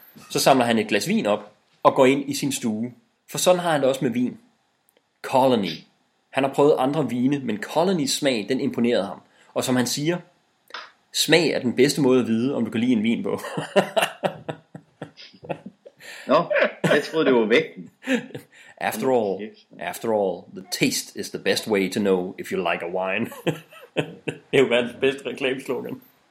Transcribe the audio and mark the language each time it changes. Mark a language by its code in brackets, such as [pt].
[da] Så samler han et glas vin op og går ind i sin stue. For sådan har han det også med vin. Colony. Han har prøvet andre vine, men Colonys smag, den imponerede ham. Og som han siger, smag er den bedste måde at vide, om du kan lide en vin på. Nå, jeg troede, det var vægten. [en] After all, the taste is the best way to know if you like a wine. [da] Det er jo verdens bedste reklameslogan.